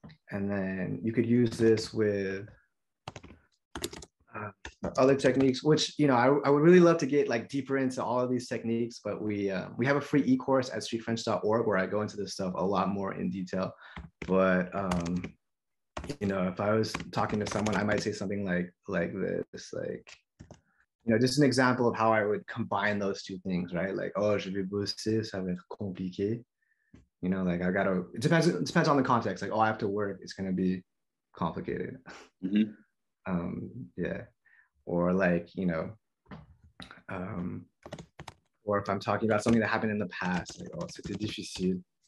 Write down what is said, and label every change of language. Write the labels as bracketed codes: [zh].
[en] And then you could use this with other techniques, which, you know, I would really love to get like deeper into all of these techniques, but we have a free e-course at StreetFrench.org where I go into this stuff a lot more in detail. But you know, if I was talking to someone, I might say something like this, like, you know, just an example of how I would combine those two things, right? Like, oh, [fr] je vais bosser, ça va être compliqué. [en] You know, like it depends on the context. Like, oh, I have to work, it's going to be complicated. Mm-hmm. Or like, you know, or if I'm talking about something that happened in the past, like, oh, [fr] c'est difficile.